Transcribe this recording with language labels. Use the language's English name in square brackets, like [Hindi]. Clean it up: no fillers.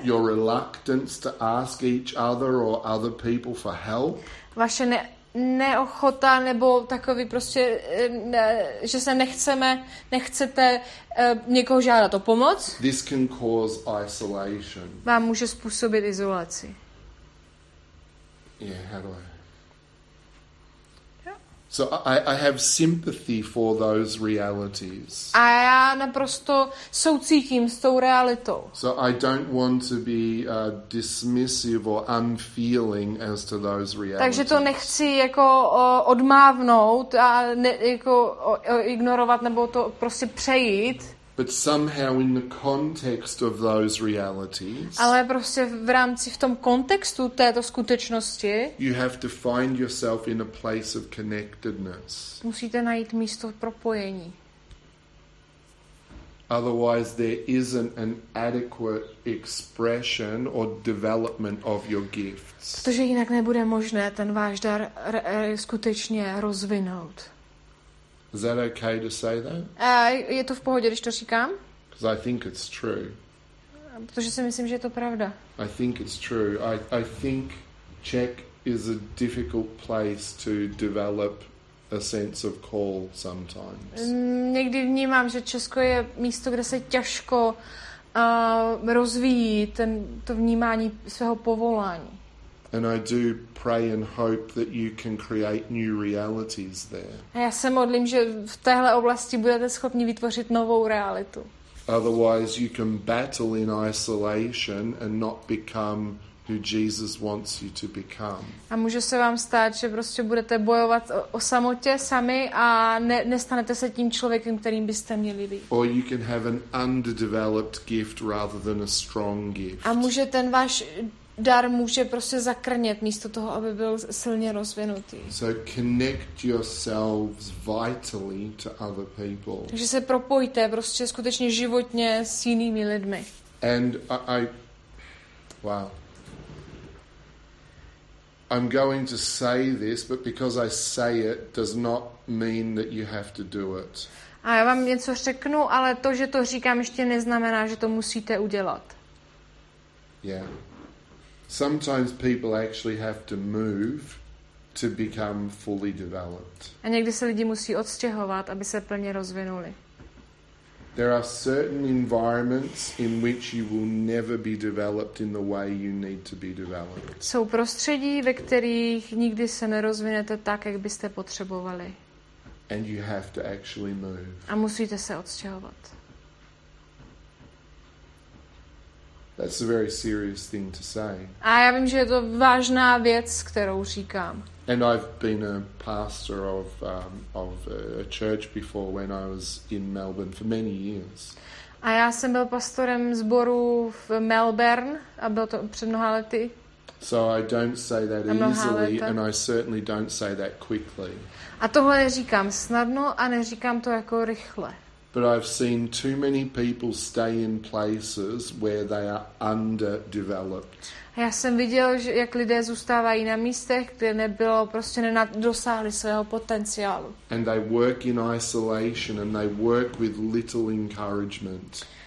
[English] Your reluctance to ask each other or other people for help. [Czech] Vaše neochota nebo takový prostě, že se nechcete někoho žádat o pomoc, [English] this can cause isolation. [Czech] Vám může způsobit izolaci. [English] Yeah, how do I... So I have sympathy for those realities. [Czech] A já naprosto soucítím s tou realitou. [English] So I don't want to be dismissive or unfeeling as to those realities. [Czech] Takže to nechci jako odmávnout a ignorovat nebo to prostě přejít. [English] But somehow in the context of those realities. [Czech] Ale prostě v tom kontextu této skutečnosti. [English] You have to find yourself in a place of connectedness. [Czech] Musíte najít místo propojení. [English] Otherwise there isn't an adequate expression or development of your gifts. [Czech] Protože jinak nebude možné ten váš dar skutečně rozvinout. [English] Is that okay to say that? [Czech] Je to v pohodě, když to říkám? [English] Because I think it's true. Protože si myslím, že je to pravda. I think it's true. I think Czech is a difficult place to develop a sense of call sometimes. [Czech] Někdy vnímám, že Česko je místo, kde se těžko rozvíjí to vnímání svého povolání. [English] And I do pray and hope that you can create new realities there. [Czech] A já se modlím, že v téhle oblasti budete schopni vytvořit novou realitu. [English] Otherwise you can battle in isolation and not become who Jesus wants you to become. [Czech] A může se vám stát, že prostě budete bojovat o samotě sami a nestanete se tím člověkem, kterým byste měli být. [English] Or you can have an underdeveloped gift rather than a strong gift. [Czech] A může ten váš dar může prostě zakrnět místo toho, aby byl silně rozvinutý. [English] So connect yourselves vitally to other people. [Czech] Takže se propojte prostě skutečně životně s jinými lidmi. [English] And I wow. I'm going to say this, but because I say it does not mean that you have to do it. [Czech] A já vám něco řeknu, ale to, že to říkám, ještě neznamená, že to musíte udělat. [English] Yeah. Sometimes people actually have to move to become fully developed. [Czech] A někdy se lidi musí odstěhovat, aby se plně rozvinuli. [English] There are certain environments in which you will never be developed in the way you need to be developed. [Czech] Jsou prostředí, ve kterých nikdy se nerozvinete tak, jak byste potřebovali. [English] And you have to actually move. [Czech] A musíte se odstěhovat. [English] That's a very serious thing to say. [Czech] A já vím, že je to vážná věc, kterou říkám. [English] And I've been a pastor of a church before when I was in Melbourne for many years. [Czech] A já jsem byl pastorem sboru v Melbourne a bylo to před mnoha lety. [English] So I don't say that easily and I certainly don't say that quickly. [Czech] A tohle neříkám snadno a neříkám to jako rychle. [English] But I've seen too many people stay in places where they are underdeveloped. [Czech] Já jsem viděl, že jak lidé zůstávají na místech, kde nebylo prostě nedosáhli svého potenciálu. [English] And they work in isolation and they work with little encouragement.